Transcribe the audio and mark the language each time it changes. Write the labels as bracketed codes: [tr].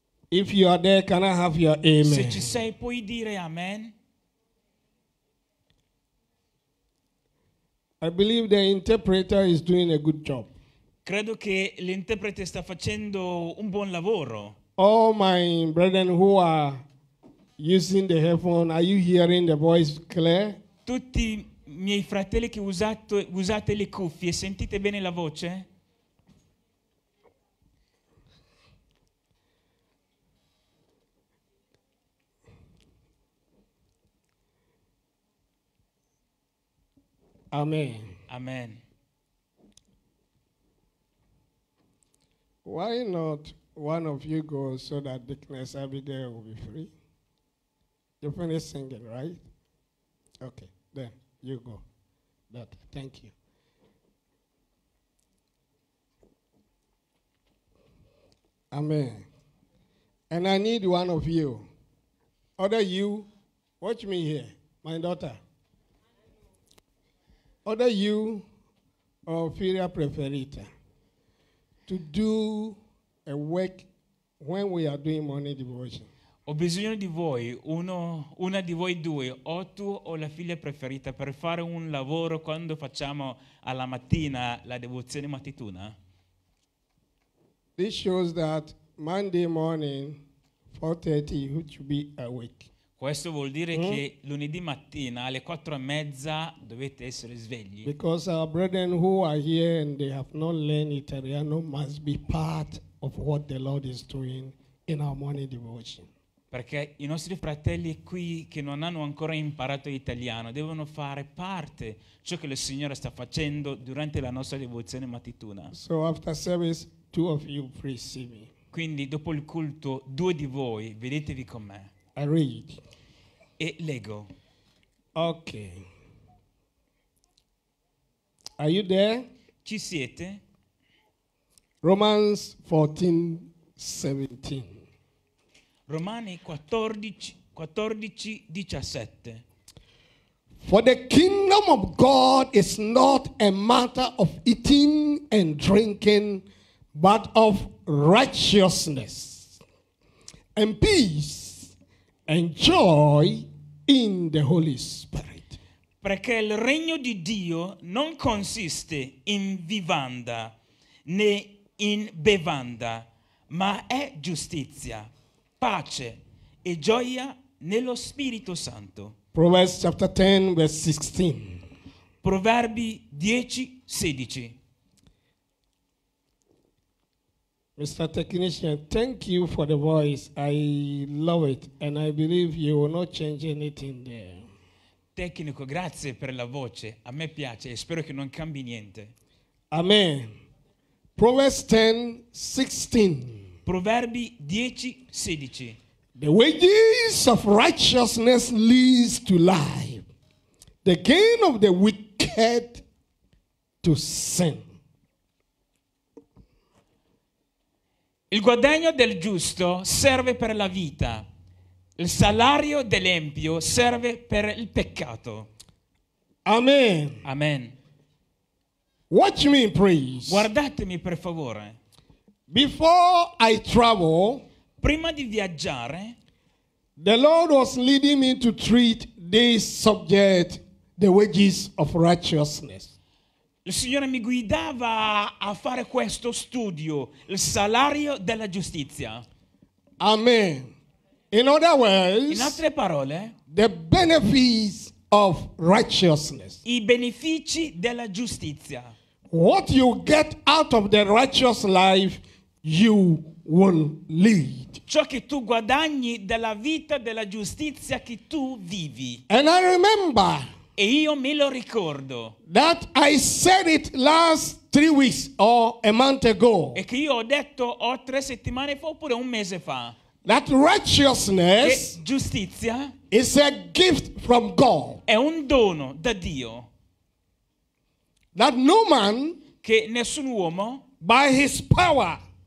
[en] If you are there, can I have your amen? [it] Se ci sei, puoi dire amen. [en] I believe the interpreter is doing a good job. [it] Credo che l'interprete sta facendo un buon lavoro. [en] All my brethren who are using the headphone, are you hearing the voice clear? [it] Tutti i miei fratelli che usate le cuffie, sentite bene la voce? [en] Amen. [it] Amen. [en] Why not one of you go so that the class every day will be free? You finish singing, right? Okay, then you go. But thank you. Amen. And I need one of you. Other you, watch me here, my daughter. Other you, or [it] Filia Preferita, [en] to do a work when we are doing morning devotion. [it] Ho bisogno di voi, una di voi due, o tu o la figlia preferita, per fare un lavoro quando facciamo alla mattina la devozione mattutina. [en] This shows that Monday morning, 4:30, you should be awake. [it] Questo vuol dire che lunedì mattina alle 4:30 dovete essere svegli. [en] Because our brethren who are here and they have not learned Italiano must be part of what the Lord is doing in our morning devotion. [it] Perché i nostri fratelli qui che non hanno ancora imparato italiano devono fare parte ciò che il Signore sta facendo durante la nostra devozione mattutina. [en] So after service, two of you please see me. [it] Quindi dopo il culto, due di voi vedetevi con me. [en] I read. [it] E leggo. [en] Okay. Are you there? [it] Ci siete? [en] Romans 14:17. [it] Romani 14:17. [en] For the kingdom of God is not a matter of eating and drinking, but of righteousness and peace. Enjoy in the Holy Spirit. [it] Perché il regno di Dio non consiste in vivanda né in bevanda, ma è giustizia, pace e gioia nello Spirito Santo. [en] Proverbs chapter 10, verse 16. [it] Proverbi 10, 16. [en] Mr. Technician, thank you for the voice. I love it and I believe you will not change anything there. [it] Tecnico, grazie per la voce. A me piace e spero che non cambi niente. [en] Amen. Proverbs 10:16. [it] Proverbi 10:16. [en] The wages of righteousness leads to life. The gain of the wicked to sin. [it] Il guadagno del giusto serve per la vita. Il salario dell'empio serve per il peccato. [en] Amen. [it] Amen. [en] Watch me, please. [it] Guardatemi per favore. [en] Before I travel, [it] prima di viaggiare, [en] the Lord was leading me to treat this subject, the wages of righteousness. [it] Il Signore mi guidava a fare questo studio, il salario della giustizia. [en] Amen. In other words, [it] in altre parole, [en] the benefits of righteousness. [it] I benefici della giustizia. [en] What you get out of the righteous life, you will lead. [it] Ciò che tu guadagni dalla vita della giustizia che tu vivi. [en] And I remember. [it] E io me lo ricordo. [en] That I said it last 3 weeks or a month ago. [it] E che io ho detto o 3 settimane fa oppure un mese fa. [en] That righteousness, [it] che giustizia, [en] is a gift from God. [it] È un dono da Dio. [en] That no man, [it] che nessun uomo, [en] by his power,